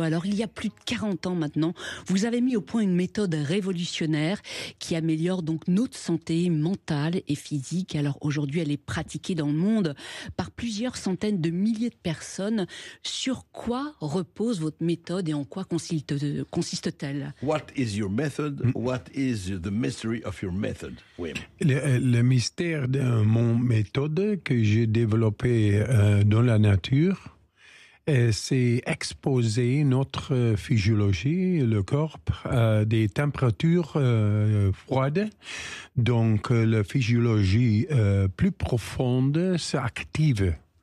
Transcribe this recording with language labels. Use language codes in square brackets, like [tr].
[fr] Alors, il y a plus de 40 ans maintenant, vous avez mis au point une méthode révolutionnaire qui améliore donc notre santé mentale et physique. Alors, aujourd'hui, elle est pratiquée dans le monde par plusieurs centaines de milliers de personnes. Sur quoi repose votre méthode et en quoi consiste-t-elle? [en] What is your method? What is the mystery of your method, Wim? [fr] Le mystère de mon méthode que j'ai développée dans la nature, c'est exposer notre physiologie, le corps, à des températures froides. Donc, la physiologie plus profonde s'active.